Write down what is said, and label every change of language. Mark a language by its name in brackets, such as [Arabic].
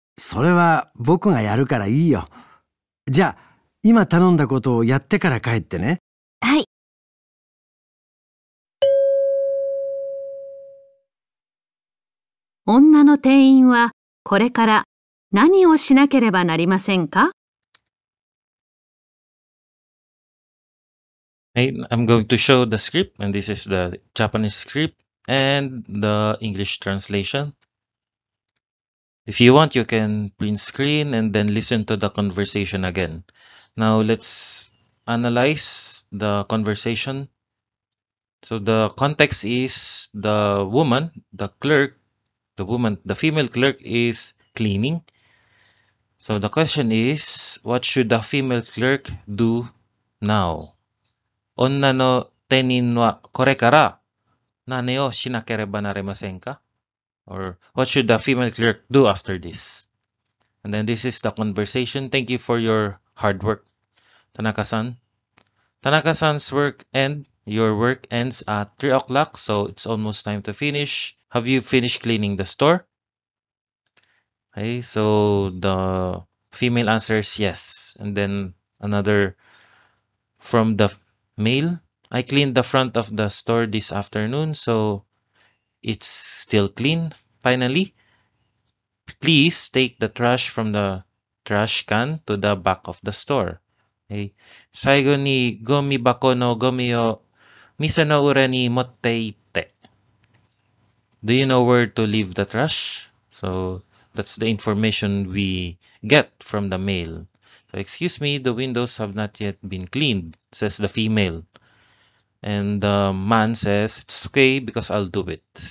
[Japanese] それは僕がやるからいいよ。じゃあ、今頼んだことをやってから帰ってね。はい。女の店員はこれから何をしなければなりませんか？ [English] I'm going to show the script, and this is the Japanese script and the English translation. If you want, you can print screen and then listen to the conversation again. Now, let's analyze the conversation. So, the context is the woman, the clerk, the woman, the female clerk is cleaning. So, the question is, what should the female clerk do now? [Japanese] 女の店員はこれから何をしなければなりませんか? [English] Or what should the female clerk do after this? And then this is the conversation. Thank you for your hard work, Tanaka-san. Tanaka-san's work and your work ends at 3 o'clock, so it's almost time to finish. Have you finished cleaning the store? Okay, so the female answers yes. And then another from the male, I cleaned the front of the store this afternoon, so it's still clean. Finally, please take the trash from the trash can to the back of the store. Okay. [Japanese] 最後にゴミ箱のゴミを店の裏に持って行って。 [English] Do you know where to leave the trash? So that's the information we get from the male. Excuse me, the windows have not yet been cleaned, says the female. And the man says, it's okay because I'll do it.